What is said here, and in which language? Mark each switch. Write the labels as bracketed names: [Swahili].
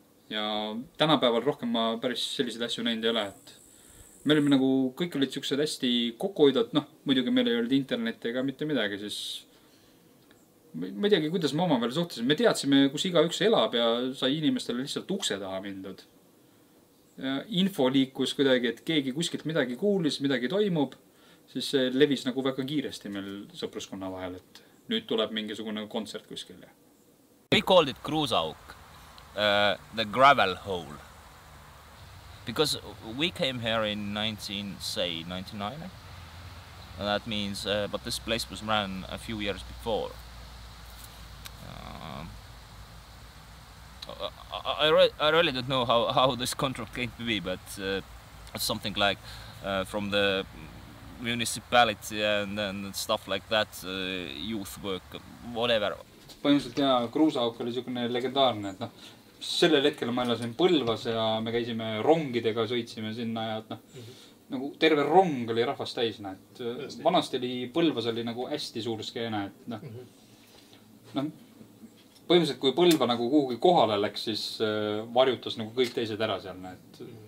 [Estonian] Ja tänapäeval rohkem ma päris sellised asju näinud ei ole. Et meil oli nagu kõik olid siuksed hästi kokkuhoidud, muidugi meil ei olnud internet ega mitte midagi, siis ma ei teagi, kuidas me oma veel suhtesime. Me teadsime, kus iga üks elab ja sai inimestele lihtsalt ukse taha mindud. Info liikus kuidagi, et keegi kuskilt midagi kuulis, midagi toimub, siis see levis nagu väga kiiresti meil sõpruskonna vahel, et nüüd tuleb mingisugune kontsert kuskil. [English] We called it Kruusauk, the gravel hole, because we came here in 1999, that means, but this place was run a few years before. I really don't know how this contract came to be, but something like from the municipality and stuff like that, youth work, whatever. [Estonian] Põhimõtteliselt jah, Kruusauk oli selline legendaarne, et sellel hetkel ma elasin Põlvas ja me käisime rongidega, sõitsime sinna ja nagu terve rong oli rahvast täis, et vanasti oli Põlvas oli nagu hästi suur skeene, et põhimõtteliselt, kui Põlva nagu kuhugi kohale läks, siis varjutas nagu kõik teised ära seal, näed.